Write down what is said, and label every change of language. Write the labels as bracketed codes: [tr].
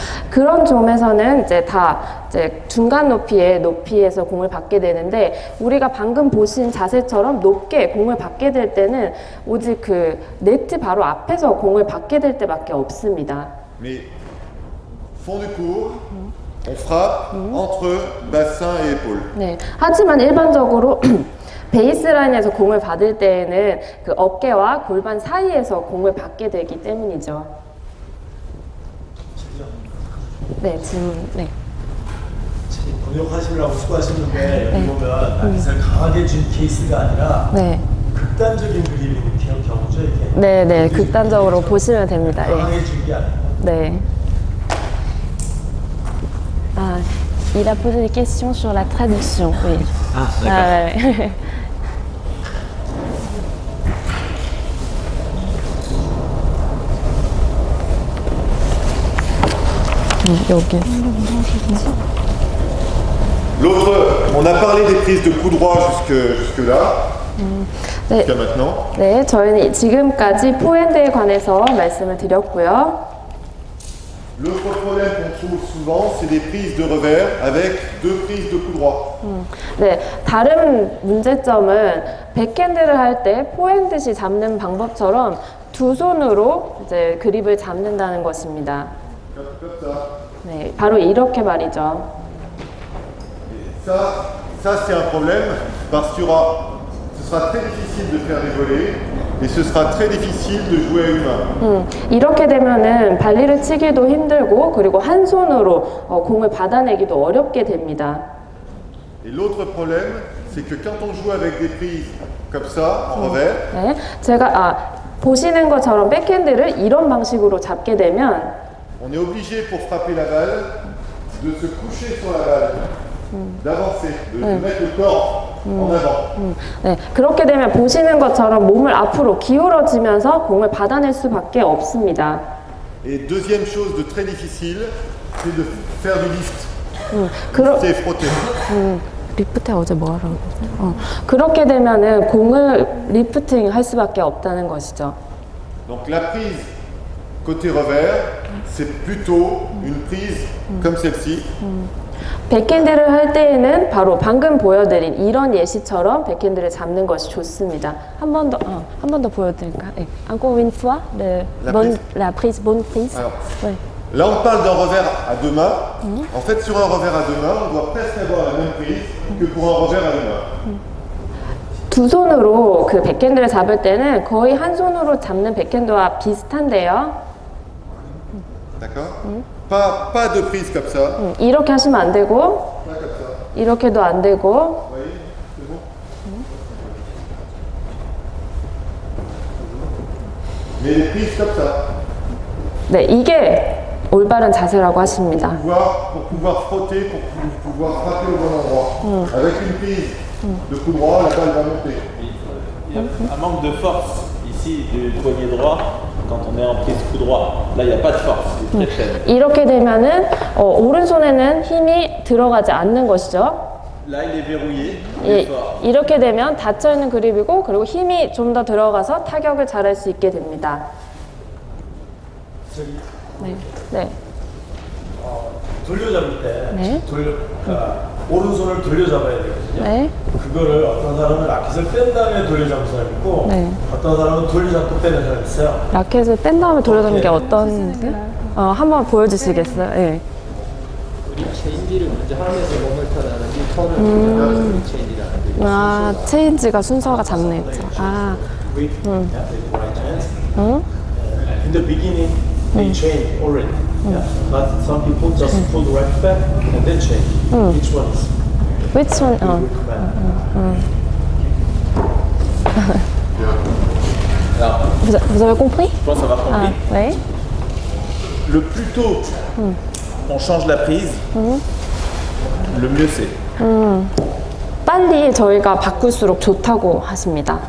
[ko] 그런 점에서는 이제 다 이제 중간 높이의 높이에서 공을 받게 되는데 우리가 방금 보신 자세처럼 높게 공을 받게 될 때는 오직 그 네트 바로 앞에서 공을 받게 될 때밖에 없습니다. [fr] Fond du court, on frappe entre bassin et épaule. [ko] 네, 하지만 일반적으로 베이스라인에서 공을 받을 때에는 그 어깨와 골반 사이에서 공을 받게 되기 때문이죠. 네, 질문. 네. 번역하시려고 수고하셨는데 네. 이거는 라켓을 강하게 준 케이스가 아니라 네. 극단적인 그립이 그런 경우죠, 이게. 네, 네. 극단적으로 보시면 됩니다. 강하게 준 게 아니라. 네. [fr] 아, il a posé des questions sur la traduction. Oui. [ko] 아, 잠깐. 아, 네. 여기. [fr] L'autre, on a parlé des prises de coup droit jusque là. [ko] 네. [fr] Jusqu'à maintenant. [ko] 네, 저희는 지금까지 포핸드에 관해서 말씀을 드렸고요. [fr] L'autre problème qu'on trouve souvent, c'est des prises de revers avec deux prises de coup droit. [ko] 네, 다른 문제점은 백핸드를 할 때 포핸드시 잡는 방법처럼 두 손으로 이제 그립을 잡는다는 것입니다. 네, 바로 이렇게 말이죠. [fr] Ça c'est un problème parce que ce sera très difficile de faire des volées et ce sera très difficile de jouer à une main. [ko] 이렇게 되면은 발리를 치기도 힘들고 그리고 한 손으로 공을 받아내기도 어렵게 됩니다. [fr] Et l'autre problème c'est que quand on joue avec des prises comme ça en revers. [ko] 네, 제가 보시는 것처럼 백핸드를 이런 방식으로 잡게 되면 [fr] On est obligé pour frapper la balle de se coucher sur la balle, d'avancer, de mettre le corps en avant. [ko] 네, 그렇게 되면 보시는 것처럼 몸을 앞으로 기울어지면서 공을 받아낼 수밖에 없습니다. [fr] Et deuxième chose de très difficile, c'est de faire du lift. Lifter et frotter. [ko] 리프트 어제 뭐 하라고 했죠? 그렇게 되면은 공을 리프팅 할 수밖에 없다는 것이죠. [fr] Donc la prise. Côté revers, c'est plutôt une prise comme celle-ci. [ko] 백핸드를 할 때에는 바로 방금 보여드린 이런 예시처럼 백핸드를 잡는 것이 좋습니다. 한 번 더 보여드릴까? 네. [fr] Encore une fois, la bonne prise. Alors, là, on parle d'un revers à deux mains. En fait, sur un revers à deux mains, on doit presque avoir la même prise que pour un revers à deux mains. [ko] 두 손으로 그 백핸드를 잡을 때는 거의 한 손으로 잡는 백핸드와 비슷한데요. [fr] D'accord. pas de prise comme ça. [ko] 이렇게 하시면 안 되고. 이렇게도 안 되고. [fr] Mais les prises comme ça. [ko] 네, 이게 올바른 자세라고 하십니다. [fr] Pour pouvoir frotter, pour pouvoir frapper au bon endroit. Avec une prise de coup droit, la balle va monter. Il y a un manque de force ici du poignet droit. Quand on est en prise coup droit, là il n'y a pas de force, c'est très faible. [ko] 이렇게 되면은 오른손에는 힘이 들어가지 않는 것이죠. [fr] Là il est verrouillé. [ko] 이렇게 되면 닫혀 있는 그립이고 그리고 힘이 좀 더 들어가서 타격을 잘할 수 있게 됩니다. 저기. 네. 네. 돌려잡을 때 네. 돌려 그러니까 오른손을 돌려잡아야 되거든요. 네. 그거를 어떤 사람은 라켓을 뺀 다음에 돌려잡는 사람이 있고 네. 어떤 사람은 돌려잡고 빼는 사람이 있어요. 라켓을 뺀 다음에 돌려잡는 게 어떤지 한번 보여주시겠어요? 네. 우리 체인지를 먼저 하면서 몸을 타다든지 턴을 하면서 체인지라는 게 체인지가 순서가 잡네요. 근데 [en] beginning they chain already. Yeah, but some people just pull the right back and then change. Which ones? Which one? Oh. [fr] Alors, vous avez compris? Je pense avoir compris. Oui. Le plus tôt on change la prise, le mieux c'est. [ko] 빨리 저희가 바꿀수록 좋다고 하십니다.